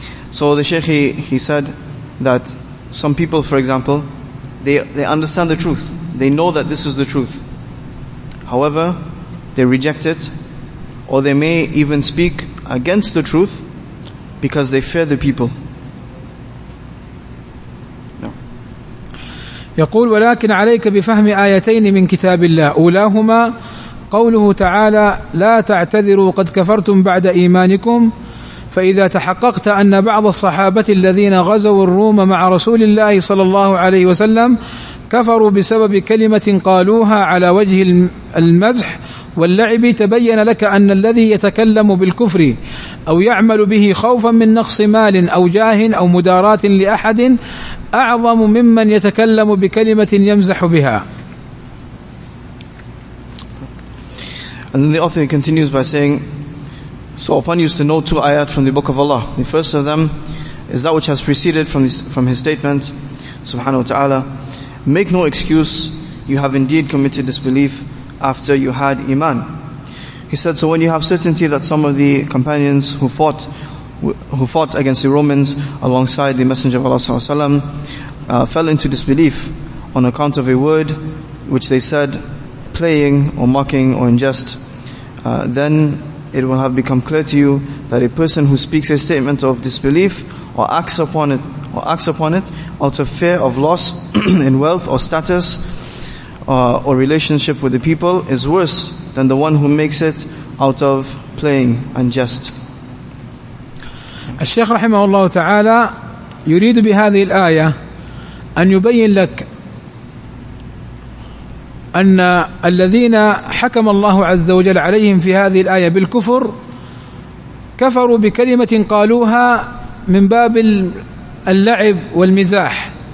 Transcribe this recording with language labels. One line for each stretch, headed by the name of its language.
English: So the Shaykh, he said that some people, for example, they understand the truth. They know that this is the truth. However, they reject it, or they may even speak against the truth because they fear the people.
Arabic: يقول ولكن عليك بفهم آيتين من كتاب الله أولاهما قوله تعالى لا تعتذروا قد كفرتم بعد إيمانكم فإذا تحققت أن بعض الصحابة الذين غزوا الروم مع رسول الله صلى الله عليه وسلم كفروا بسبب كلمة قالوها على وجه المزح واللعب تبين لك أن الذي يتكلم بالكفر أو يعمل به خوفا من نقص مال أو جاه أو مدارات لأحد أعظم ممن يتكلم بكلمة يمزح بها.
English: And then the author continues by saying, so upon you is to know two ayat from the Book of Allah. The first of them is that which has preceded from his statement, subhanahu wa ta'ala, make no excuse, you have indeed committed disbelief after you had iman. He said, so when you have certainty that some of the companions who fought against the Romans alongside the Messenger of Allah sallallahu alaihi wasallam fell into disbelief on account of a word which they said playing or mocking or in jest, then it will have become clear to you that a person who speaks a statement of disbelief or acts upon it out of fear of loss in wealth or status or relationship with the people is worse than the one who makes it out of playing and jest.
Arabic: الشيخ رحمه الله تعالى يريد بهذه الآية أن يبين لك أن الذين حكم الله عز وجل عليهم في هذه الآية بالكفر كفروا بكلمة قالوها من باب اللعب والمزاح،